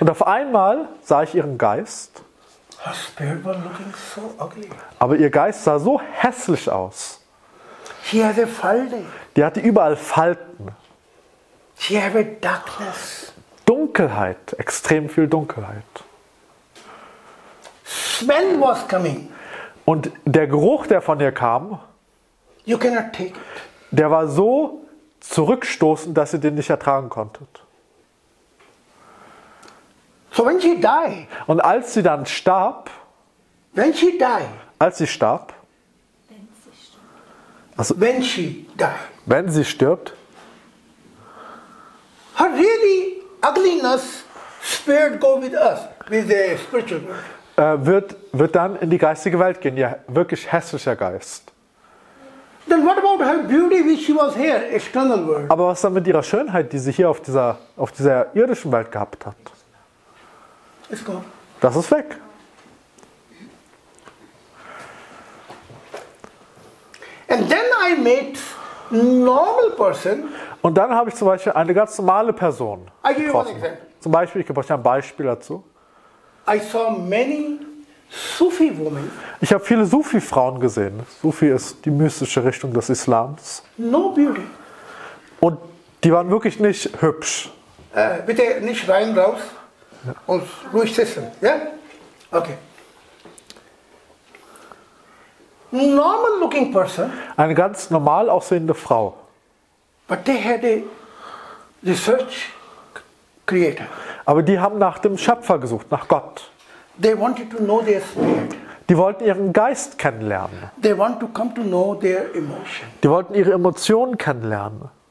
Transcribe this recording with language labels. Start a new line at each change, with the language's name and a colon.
German: Und auf einmal sah ich ihren Geist.
English: Her spirit was looking so ugly.
German: Aber ihr Geist sah so hässlich aus.
English: She had a falde.
German: Die hatte überall Falten.
English: She had a darkness.
German: Dunkelheit, extrem viel Dunkelheit.
English: Smell was coming.
German: Und der Geruch, der von ihr kam,
English: you cannot take it.
German: Der war so zurückstoßend, dass ihr den nicht ertragen konntet.
English: So when she died,
German: und als sie dann starb,
English: when she died,
German: als sie starb,
English: also, when she died,
German: wenn sie stirbt,
English: her really ugliness spirit go with us, with the spiritual world.
German: Wird dann in die geistige Welt gehen, ihr wirklich hässlicher Geist.
English: Then what about her beauty when she was here, external world?
German: Aber was dann mit ihrer Schönheit, die sie hier auf dieser irdischen Welt gehabt hat?
English: It's gone.
German: Das ist weg.
English: And then I met normal person.
German: Und dann habe ich zum Beispiel eine ganz normale Person getroffen. Zum Beispiel, ich gebe euch ein Beispiel dazu.
English: I saw many Sufi women.
German: Ich habe viele Sufi-Frauen gesehen. Sufi ist die mystische Richtung des Islams.
English: No beauty.
German: Und die waren wirklich nicht hübsch. Bitte nicht rein, raus. Ja. Und ruhig sitzen. Ja? Okay.
English: Normal looking person.
German: Eine ganz normal aussehende Frau.
English: But they had a research creator.
German: Aber die haben nach dem Schöpfer gesucht, nach Gott.
English: They wanted to know their spirit.
German: Die wollten ihren Geist kennenlernen.
English: They want to come to know their emotion.
German: Die wollten ihre Emotionen kennenlernen.